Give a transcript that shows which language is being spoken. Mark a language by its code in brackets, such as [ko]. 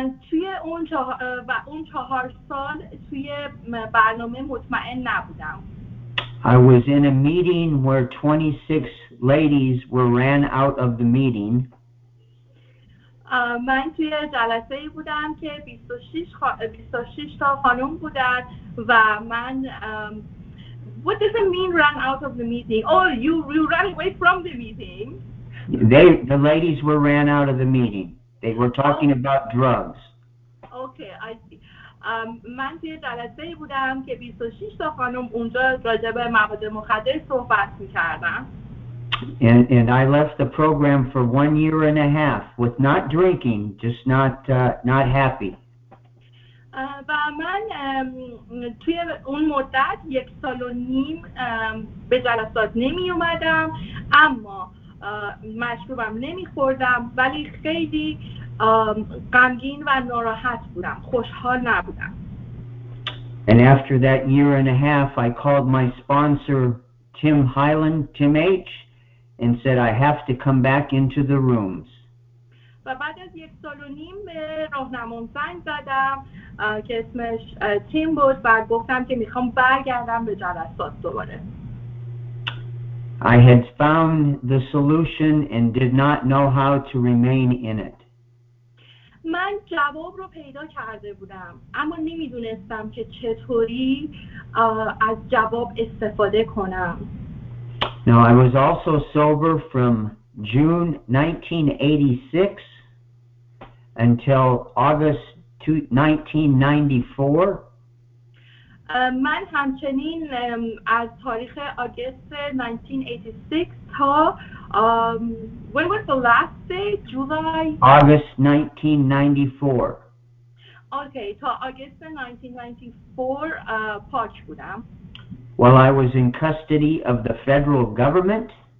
[fa] توی اون 4 سال توی برنامه مطمئن نبودم. [en] I was in a meeting where 26 ladies were ran out of the meeting. [fa] من توی جلسه ای بودم که 26 تا خانم بودن و من [en] What does it mean run out of the meeting? Oh, you ran away from the meeting. The ladies were ran out of the meeting. They were talking about drugs. Okay, I see. [fa] من توی جلسه ای بودم که 26 تا خانم اونجا راجع به مواد مخدر صحبت می‌کردن. [en] And I left the program for 1 year and a half with not drinking, just not happy. [fa] و من توی اون مدت یک سال و نیم به جلسات نمی اومدم، اما مشروبم نمی خوردم، ولی خیلی غمگین و ناراحت بودم، خوشحال نبودم. [en] And after that year and a half, I called my sponsor, Tim Hyland, Tim H., and said, I have to come back into the rooms. [fa] و بعد از یک سال و نیم به راهنمام زنگ زدم که اسمش تیم بود و گفتم که میخوام برگردم به جلسات دوباره. [en] I had found the solution and did not know how to remain in it. [fa] من جواب رو پیدا کرده بودم، اما نمیدونستم که چطوری از جواب استفاده کنم. [en] Now, I was also sober from June 1986 until August 1994. [fa] من همچنین از تاریخ آگست 1986 تا [en] when was the last day? July? August 1994. [fa] Okay, تا آگست 1994 پاک بودم. [en] While I was in custody of the federal government,